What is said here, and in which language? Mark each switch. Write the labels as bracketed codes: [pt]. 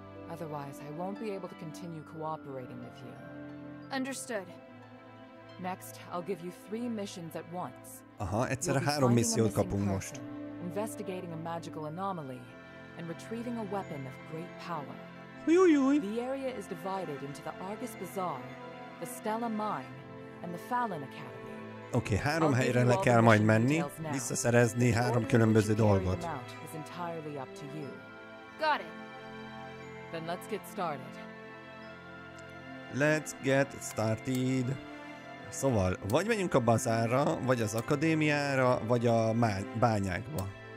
[en] Otherwise, I won't be able to continue cooperating with you. Understood. Next, I'll give you three missions at once. [hu] Aha, egyszerre három missziót kapunk most. [en] Investigating a magical anomaly and retrieving a weapon of great power. Ujjjjjj! The area is divided into the Argus Bazaar, the Stella Mine, and the Fallon Academy. [hu] Oké, három helyre le kell majd menni, visszaszerezni három különböző dolgot. [en] Got it. Then let's get started. Let's get started. [hu] Szóval, vagy menjünk a bazárra, vagy az akadémiára, vagy a bányákba.